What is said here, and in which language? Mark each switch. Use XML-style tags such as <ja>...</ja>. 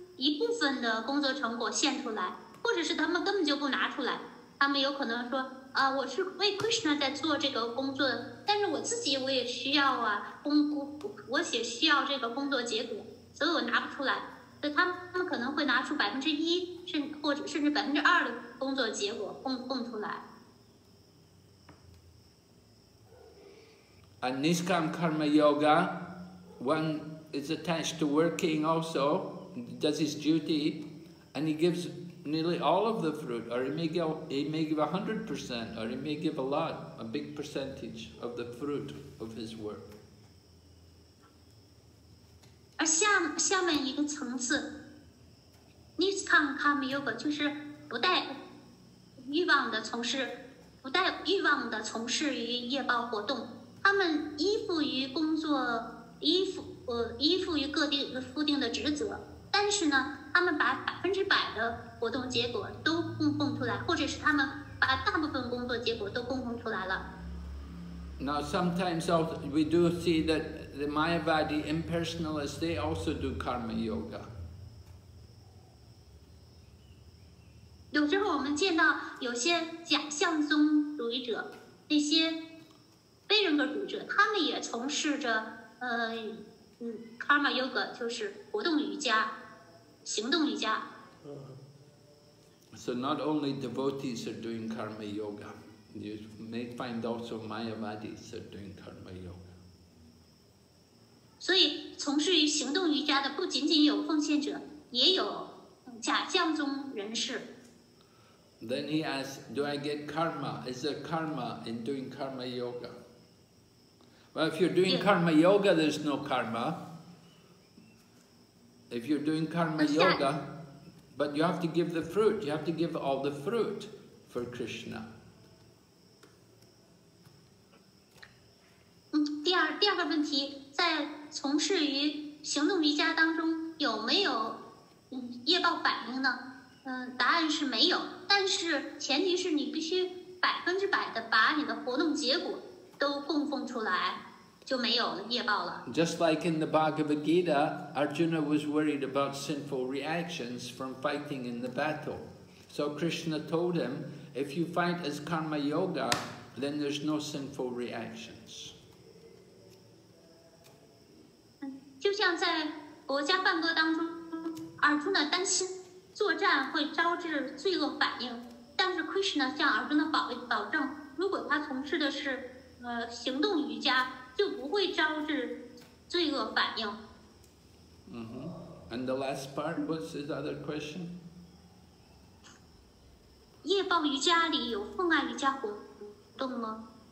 <zh>一部分的工作成果献出来，或者是他们根本就不拿出来，他们有可能说啊，我是为 Krishna 在做这个工作，但是我自己我也需要啊，我也需要这个工作结果，所以我拿不出来。所以他们可能会拿出1%，甚至2%的工作结果供出来。</zh> <en>And Nishkam Karma Yoga, one is attached to working also, does his duty, and he gives nearly all of the fruit, or he may give 100%, or he may give a lot, a big percentage of the fruit of his work.</en> <zh>而下面一个层次 ，Nishkam Karma Yoga 就是不带欲望的从事，不带欲望的从事于业报活动。他们依附于工作，依附于各地固定的职责，但是呢，他们把100%的活动结果都供出来，或者是他们把大部分工作结果都供出来了。</zh> <en>Now sometimes we do see that the Mayavadi impersonalists they also do karma yoga.</en> <zh>有时候我们见到有些假象宗主义者那些。非人格主义者，他们也从事着，karma yoga 就是活动瑜伽，行动瑜伽。</zh> <en>So not only devotees are doing karma yoga, you may find also mayavadis are doing karma yoga.</en> <zh>所以，从事于行动瑜伽的不仅仅有奉献者，也有假象宗人士。</zh> <en>Then he asks, "Do I get karma? Is there karma in doing karma yoga?" Well, if you're doing karma yoga, there's no karma. If you're doing karma yoga, but you have to give the fruit, you have to give all the fruit for Krishna.</en> <zh>第二个问题，在从事于行动瑜伽当中有没有业报反应呢？答案是没有，但是前提是你必须100%的把你的活动结果都供奉出来。就没有业报了。</zh> <en>Just like in the Bhagavad Gita, Arjuna was worried about sinful reactions from fighting in the battle. So Krishna told him, if you fight as karma yoga, then there's no sinful reactions.</en> <zh>就像在国家梵歌当中， Arjuna 担心作战会招致罪恶反应，但是 Krishna 向 Arjuna 保证，如果他从事的是行动瑜伽。就不会招致罪恶反应。</zh> <en>And the last part, what's his other question?</en> <zh>业报瑜伽里有奉爱瑜伽活动吗？</zh>